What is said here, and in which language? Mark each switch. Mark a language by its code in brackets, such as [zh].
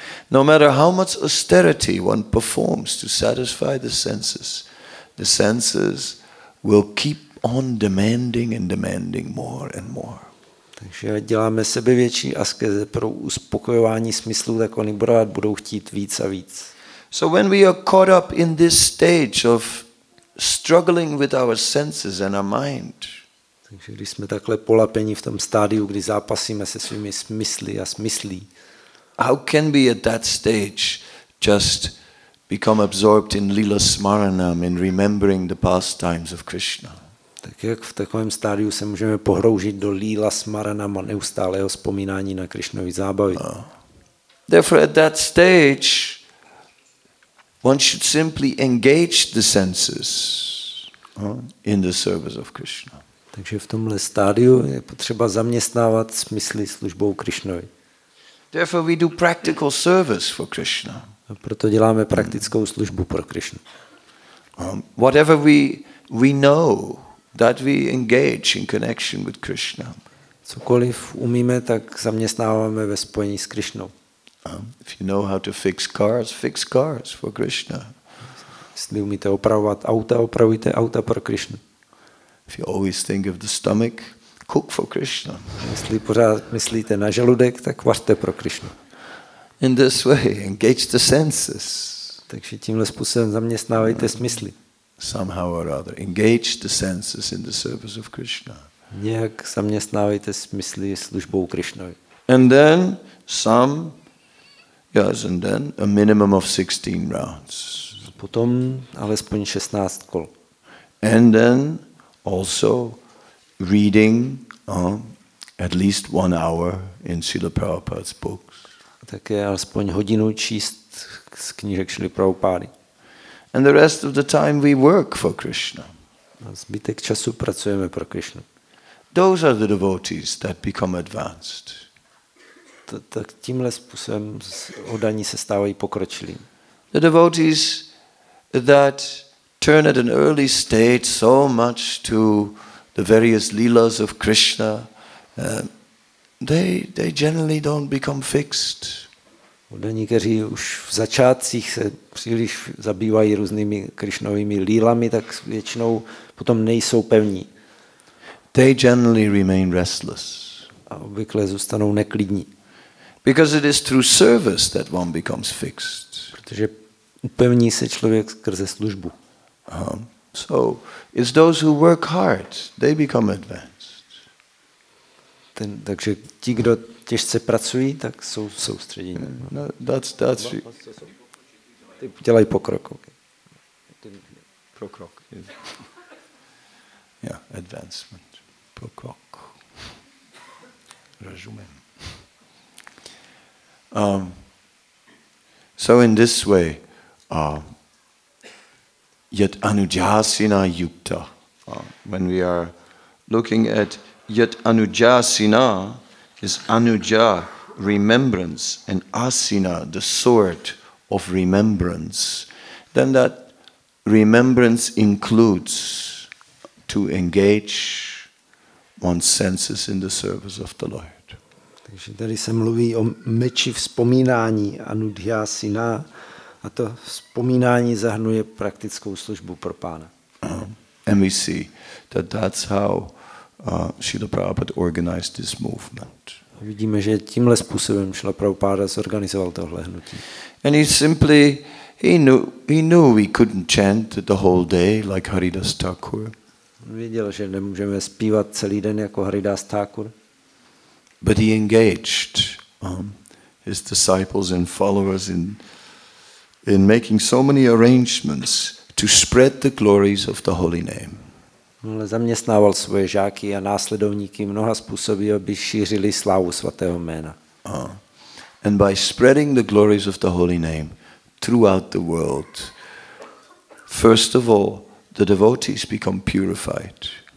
[en] No matter how much austerity one performs to satisfy the senses will keep on demanding and demanding more and more. [cs] Takže děláme sebevětší askeze pro uspokojování smyslů, tak oni budou chtít víc a víc. [en] So when we are caught up in this stage of struggling with our senses and our mind. [cs] Takže když jsme takhle polapeni v tom stádiu, kdy zápasíme se svými smysly a smyslí. [en] How can we at that stage just become absorbed in Lila Smaranam, in remembering the pastimes of Krishna? [cs] Tak jak v takovém stádiu se můžeme pohroužit do Lila Smaranam a neustálého vzpomínání na Krišnovy zábavy? [en] Therefore at that stage one should simply engage the senses in the service of Krishna. [cs] Takže v tomhle stádiu je potřeba zaměstnávat smysly službou Krišnovi. [en] Therefore we do practical service for Krishna. [cs] A proto děláme praktickou službu pro Krišnu. [en] Whatever we know that we engage in connection with Krishna. [cs] Cokoliv umíme, tak zaměstnáváme ve spojení s Krišnou. [en] If you know how to fix cars for Krishna. [cs] Jestli umíte opravovat auta, opravujte auta pro Krishnu. [en] If you always think of the stomach, cook for Krishna. [cs] Jestli pořád myslíte na žaludek, tak vařte pro Krishnu. [en] In this way, engage the senses. [cs] Takže tímhle způsobem zaměstnávejte smysly. [en] Somehow or other, engage the senses in the service of Krishna. [cs] Nějak zaměstnávejte smysly službou Krishnovi. [en] And then some, yes, and then a minimum of 16 rounds. [cs] Potom alespoň 16 kol. [en] And then also reading at least one hour in Srila Prabhupada's books. [cs] Také alespoň hodinu číst z knížek Srila Prabhupády. [en] And the rest of the time we work for Krishna. [cs] A zbytek času pracujeme pro Krishnu. [en] Those are the devotees that become advanced. [cs] Tak tímhle způsobem oddaní se stávají pokročilí. [en] The devotees that turn at an early stage so much to the various lilas of Krishna, they generally don't become fixed. [cs] Oddaní, kteří už v začátcích se příliš zabývají různými Krišnovými lílami, tak většinou potom nejsou pevní. [en] They generally remain restless. [cs] A obvykle zůstanou neklidní. [en] Because it is through service that one becomes fixed. [cs] Protože upevní se člověk skrze službu. [en] So it's those who work hard, they become advanced. [cs] Takže ti, kdo těžce pracují, tak jsou soustředění. [en] No, that's [cs] ty dělají pokrok. Pokrok. [en] Yeah, advancement. [cs] Pokrok. Rozumím. [en] So in this way, yet anujasina yukta. When we are looking at yet anujasina, is anuja remembrance and asina the sword of remembrance, then that remembrance includes to engage one's senses in the service of the Lord. [cs] Takže tady se mluví o meči vzpomínání anujasina a to vzpomínání zahrnuje praktickou službu pro Pána. [en] And we see that that's how Srila Prabhupada organized this movement. [cs] Vidíme, že tímhle způsobem Srila Prabhupada zorganizoval tohle hnutí. [en] And he knew we couldn't chant the whole day like Haridas Thakur. [cs] Věděl, že nemůžeme zpívat celý den jako Haridas Thakur. [en] But he engaged his disciples and followers in making so many arrangements to spread the glories of the holy name. [cs] Ale zaměstnával svoje žáky a následovníky mnoha způsoby, aby šířili slávu svatého jména. [en] And by spreading the glories of the holy name throughout the world, first of all, the devotees become purified.